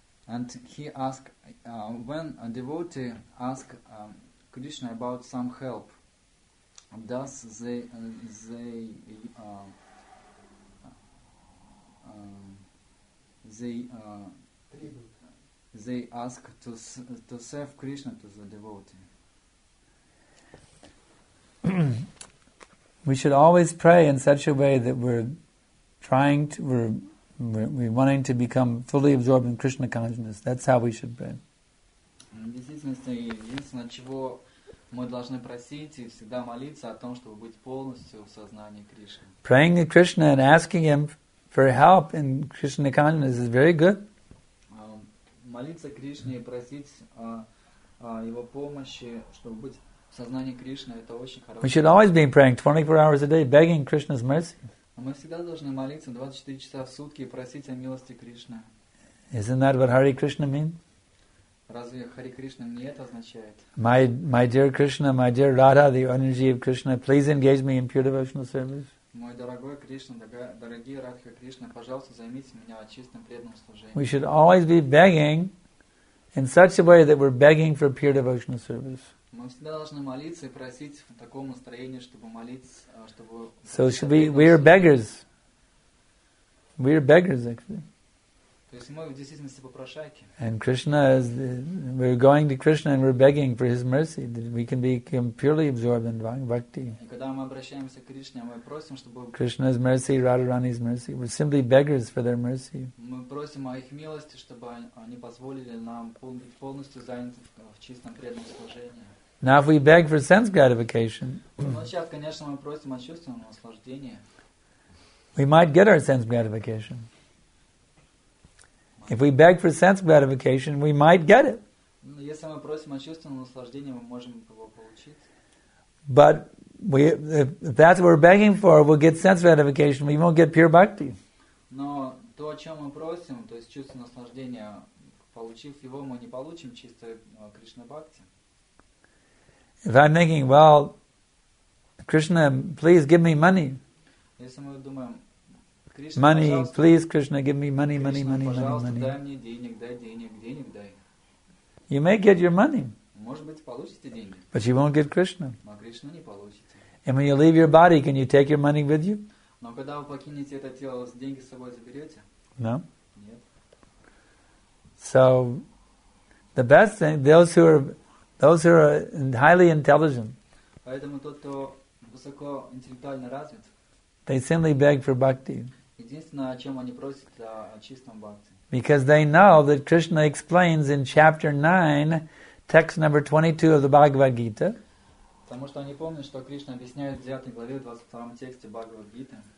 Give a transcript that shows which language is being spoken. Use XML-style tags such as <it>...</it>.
<en>And he asked, when a devotee asks Krishna about some help, does they ask to serve Krishna to the devotee. We should always pray in such a way that we're trying to, we're wanting to become fully absorbed in Krishna consciousness. That's how we should pray.</en> <ru>Действительно, единственное, чего мы должны просить и всегда молиться о том, чтобы быть полностью в сознании Кришны.</ru> <en>Praying to Krishna and asking him for help in Krishna consciousness is very good.</en> <ru>Молиться Кришне и просить его помощи, чтобы быть в сознании Кришны, это очень хорошо.</ru> <en>We should always be praying 24 hours a day, begging Krishna's mercy.</en> <ru>Мы всегда должны молиться 24 часа в сутки и просить о милости Кришны.</ru> <en>Isn't that what Hare Krishna means?</en> <ru>Разве Хари Кришна не это означает?</ru> <en>My dear Krishna, my dear Radha, the energy of Krishna, please engage me in pure devotional service.</en> <ru>Мой дорогой Кришна, дорогие Радха Кришна, пожалуйста, займите меня чистым преданным служением.</ru> <en>We should always be begging in such a way that we're begging for pure devotional service.</en> <ru>Мы всегда должны молиться и просить в таком настроении, чтобы молиться, чтобы.</ru> <en>So should we are beggars. We are beggars, actually.</en> <ru>То есть мы в действительности попрошайки.</ru> <en>And Krishna is we're going to Krishna and we're begging for his mercy that we can be purely absorbed in bhakti.</en> <ru>И когда мы обращаемся к Кришне, мы просим, чтобы</ru> <en>Krishna's mercy, Radharani's mercy. We're simply beggars for their mercy.</en> <ru>Мы просим о их милости, чтобы они позволили нам быть полностью заняты в чистом преданном служении.</ru> <en>Now if we beg for sense gratification.</en> <ru>Ну сейчас, конечно, мы просим о чувственном наслаждении.</ru> <en>We might get our sense gratification. If we beg for sense gratification, we might get it.</en> <ru>Если мы просим о чувственном наслаждении, мы можем его получить.</ru> <en>But if that's what we're begging for, we'll get sense gratification, we won't get pure bhakti.</en> <ru>Но то, о чем мы просим, то есть чувственное наслаждение, получив его, мы не получим чистое Кришна бхакти.</ru> <en>If I'm thinking, well, Krishna, please give me money.</en> <ru>Если мы думаем,</ru> <en>Krishna, money, please, Krishna, give me money, Krishna, money, money, money, money.</en> <ru>Дай мне денег, дай денег, денег, дай.</ru> <en>You may get your money.</en> <ru>Может быть, получите деньги.</ru> <en>But you won't get Krishna.</en> <ru>А Кришну не получите.</ru> <en>And when you leave your body, can you take your money with you?</en> <ru>Но когда вы покинете это тело, вы деньги с собой заберете?</ru> <en>No.</en> <ru>Нет.</ru> <en>So, the best thing, those who are highly intelligent.</en> <ru>Поэтому тот, кто высоко интеллектуально развит.</ru> <en>They simply beg for bhakti.</en> <ru>Единственное, о чем они просят, о чистом бхакти.</ru> <en>Because they know that Krishna explains in chapter 9, text number 22 of the Bhagavad Gita.</en> <ru>Потому что они помнят, что Кришна объясняет в 9 главе, 22 тексте Бхагавад Гиты.</ru>